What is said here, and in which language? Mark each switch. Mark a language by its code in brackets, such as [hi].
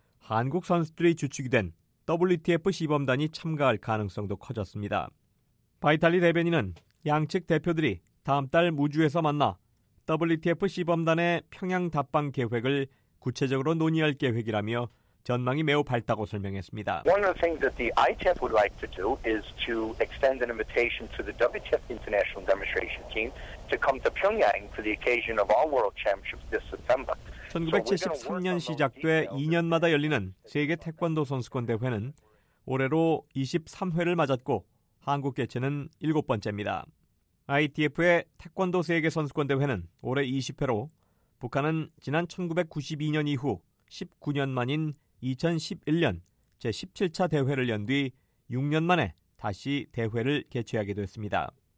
[ko] 한국 선수들이 주축이 된 WTF 시범단이 참가할 가능성도 커졌습니다. 바이탈리 대변인은 양측 대표들이 다음 달 무주에서 만나 WTF 시범단의 평양 답방 계획을 구체적으로 논의할 계획이라며 전망이 매우 밝다고 설명했습니다. [en] One of the things that the ITF would like to do is to extend an invitation to the WTF International Demonstration Team to come to Pyongyang for the occasion of our World Championships this September. [ko] 1973년 시작돼 2년마다 열리는 세계 태권도 선수권 대회는 올해로 23회를 맞았고 한국 개최는 7번째입니다. ITF의 태권도 세계 선수권 대회는 올해 20회로 북한은 지난 1992년 이후 19년 만인 2011년 제17차 대회를 연 뒤 6년 만에 다시 대회를 개최하게 됐습니다.